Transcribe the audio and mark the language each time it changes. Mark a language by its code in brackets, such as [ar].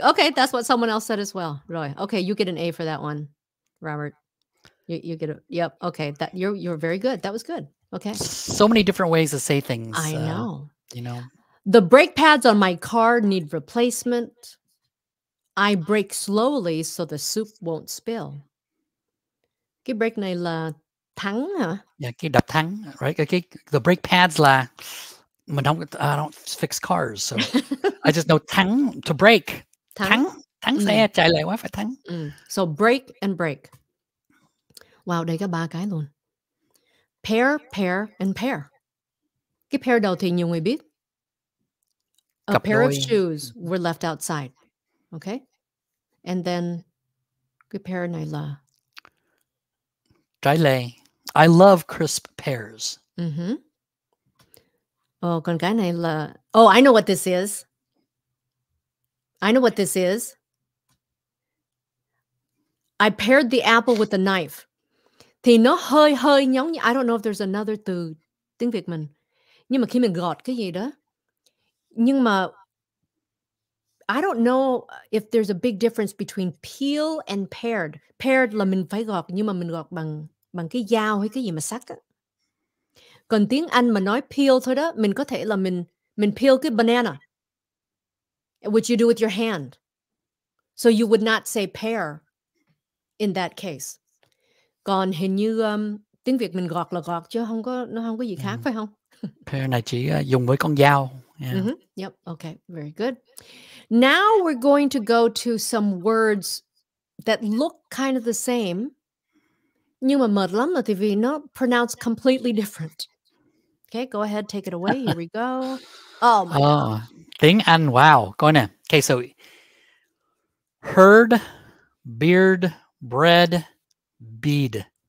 [en] Okay, that's what someone else said as well. Roy. Okay, you get an A for that one, Robert. You get a, yep. Okay, that you're very good. That was good. Okay. So many different ways to say things. I know. You know. The brake pads on my car need replacement. I brake slowly so the soup won't spill. [vi] Cái brake này là thắng hả? Yeah, cái đập thắng, right? [en] Cái the brake pads [vi] là mình không, [en] I don't fix cars, so I just know thắng to break. [vi] Thắng xe chạy lại quá phải thắng. [en] Mm. So brake and brake. Wow, [vi] đây có ba cái luôn. [en] Pair and pair. [vi] Cái pair đầu thì nhiều người biết. [en] A pair of shoes were left outside. Okay? And then [vi] cái pair này là trái lê. [en] I love crisp pears. [vi] Mm-hmm. Oh, con cái này là... [en] Oh, I know what this is. I know what this is. I paired the apple with a knife. [vi] Thì nó hơi giống như... [en] I don't know if there's another [vi] từ tiếng Việt mình. Nhưng mà khi mình gọt cái gì đó. Nhưng mà... [en] I don't know if there's a big difference between peel and paired. [vi] Paired là mình phải gọt, nhưng mà mình gọt bằng cái dao hay cái gì mà sắc á. Còn tiếng Anh mà nói peel thôi đó, mình có thể là mình peel cái banana, [en] which you do with your hand. So you would not say pear in that case. [vi] Còn hình như tiếng Việt mình gọt là gọt, chứ không có, nó không có gì khác, phải không? Pear này chỉ dùng với con dao. [en] Yeah. Mm-hmm. Yep, okay, very good. Now we're going to go to some words that look kind of the same. [vi] Nhưng mà mệt lắm là thì vì nó pronounced completely different. [en] Okay, go ahead, take it away. Here we go. Oh, my God. [vi] Tiếng Anh, [en] wow. [vi] Coi nè. [en] Okay, so herd, beard, bread, bead.